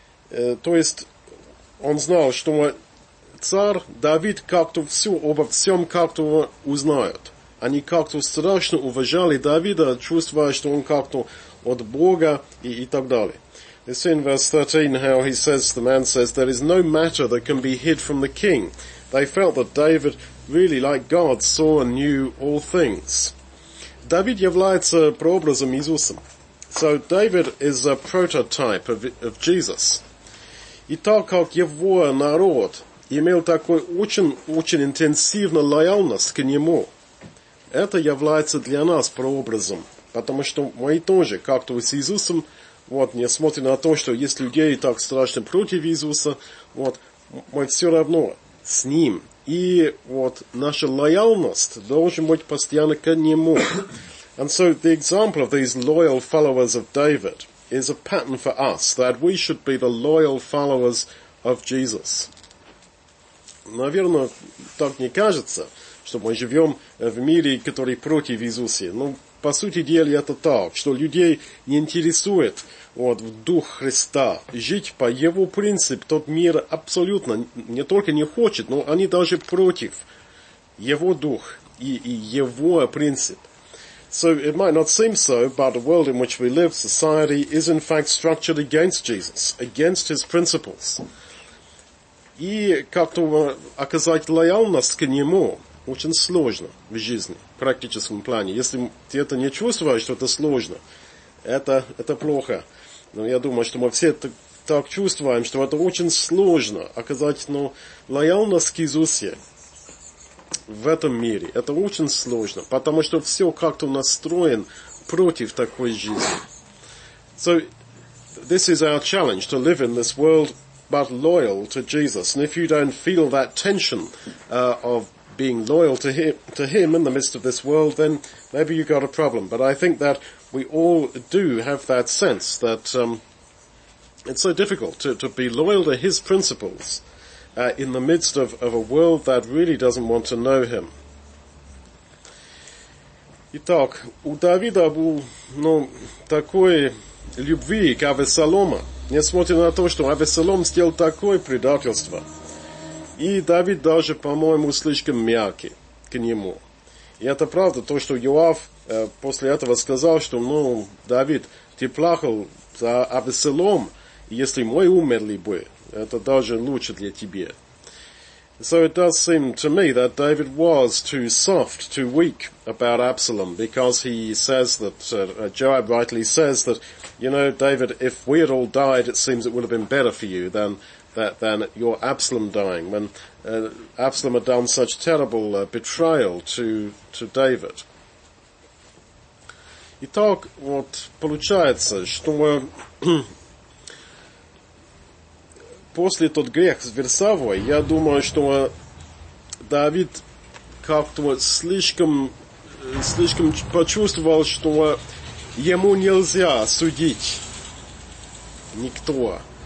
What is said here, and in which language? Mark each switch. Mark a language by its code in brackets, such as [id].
[ru] То есть он знал, что царь Давид как-то все обо всем как-то узнает. Они как-то страшно уважали Давида, чувствуя, что он как-то от Бога и так далее. [en] You see in verse 13 how he says, the man says, there is no matter that can be hid from the king. They felt that David, really like God, saw and knew all things. [ru] David является прообразом Иисуса. [en] So David is a prototype of Jesus. [ru] И так как его народ имел такой очень-очень интенсивную лояльность к нему, это является для нас прообразом, потому что мы тоже как-то с Иисусом несмотря на то, что есть людей так страшно против Иисуса, мы все равно с Ним. И наша лояльность должна быть постоянно к Нему. [en] And so the example of these loyal followers of David is a pattern for us, that we should be the loyal followers of Jesus. [ru] Наверное, так не кажется, что мы живем в мире, который против Иисуса. По сути дела, это так, что людей не интересует в Дух Христа жить по Его принципу. Тот мир абсолютно не только не хочет, но они даже против Его Дух и Его принцип. [en] So it might not seem so, but the world in which we live, society, is in fact structured against Jesus, against His principles. [ru] И как-то оказать лояльность к Нему очень сложно в жизни, в практическом плане. Если ты это не чувствуешь, что это сложно, это плохо. Но я думаю, что мы все так чувствуем, что это очень сложно оказать лояльность к Иисусе в этом мире. Это очень сложно, потому что все как-то настроен против такой жизни. [en] So this is our challenge, to live in this world but loyal to Jesus. And if you don't feel that tension of being loyal to him in the midst of this world, then maybe you've got a problem. But I think that we all do have that sense that it's so difficult to be loyal to his principles in the midst of a world that really doesn't want to know him. [ru] Итак, у Давида был, ну, такой любви к Авессалому, несмотря на то, что Авессалом сделал такое предательство. И Давид даже, по-моему, слишком мягкий к нему. И это правда, то, что Йоав после этого сказал, что, ну, Давид, ты плакал за Авессалом, если мой умерли бы, это даже лучше для тебя. [en] So it does seem to me that David was too soft, too weak about Absalom, because he says that, Joab rightly says that, you know, David, if we had all died, it seems it would have been better for you than your Absalom dying, when Absalom had done such terrible betrayal to David. [ru] Итак, вот получается, что после тот грех с Версавой, я думаю, что Давид как-то слишком почувствовал, что ему нельзя судить никто.